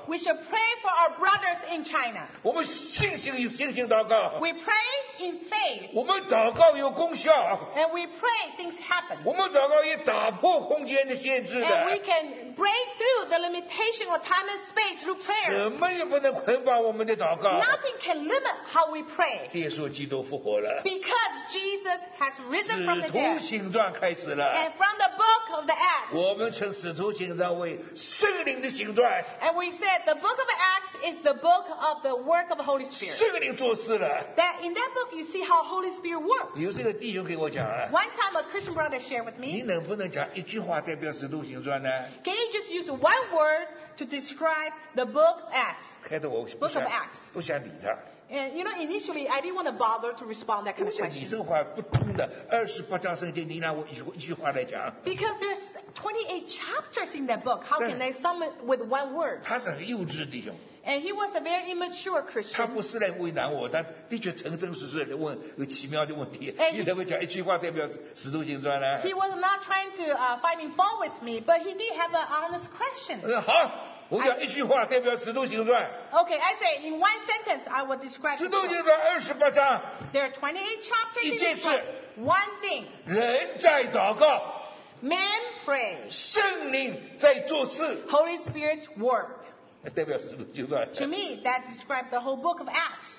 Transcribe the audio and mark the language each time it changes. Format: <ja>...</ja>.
<en>We should pray for our brothers in China.</en> <zh>我们信心有信心祷告。</zh> <en>We pray in faith.</en> <zh>我们祷告有功效。</zh> <en>And we pray things happen.</en> <zh>我们祷告也打破空间的限制的。</zh> <en>And we can break through the limitation of time and space through prayer.</en> <zh>什么也不能捆绑我们的祷告。</zh> <en>Nothing can limit how we pray.</en> <zh>耶稣基督复活了。</zh> <en>Because Jesus has risen from the dead.</en> <zh>使徒行传开始了。</zh> <en>And from the book of the Acts.</en> <zh>我们称使徒行传为圣灵的行传。</zh> <en>And we said the book of Acts is the book of the work of the Holy Spirit.</en> <zh>圣灵做事了。</zh> <en>That in that book you see how Holy Spirit works.</en> <zh>有这个弟兄给我讲啊。</zh> <en>One time a Christian brother shared with me.</en> <zh>你能不能讲一句话代表使徒行传呢？</zh> <en>Can you just use one word to describe the book Acts?</en> <zh>开头我不想。</zh> <en>Book of Acts.</en> <zh>不想理他。</zh> <en>And you know, initially, I didn't want to bother to respond that kind of question.</en> <zh>你这话不通的，二十八章圣经，你拿我一句话来讲。</zh> <en>Because there's 28 chapters in that book. How can they sum it with one word?</en> <zh>他是很幼稚的弟兄。</zh> <en>And he was a very immature Christian.</en> <zh>他不是来为难我，他的确诚真实实的问有奇妙的问题。你怎么讲一句话代表使徒行传呢？</zh> <en>He was not trying to find fault with me, but he did have an honest question.</en> <zh>好。我讲一句话代表使徒行传。</zh> <en>Okay, I say in one sentence I will describe.</en> <zh>使徒行传二十八章。</zh> <en>There are 28 chapters.</en> <zh>一件事。</zh> <en>One thing.</en> <zh>人在祷告。</zh> <en>Man pray.</en> <zh>圣灵在做事。</zh> <en>Holy Spirit worked.</en> <zh>代表使徒行传。</zh> <en>To me, that describes the whole book of Acts.</en>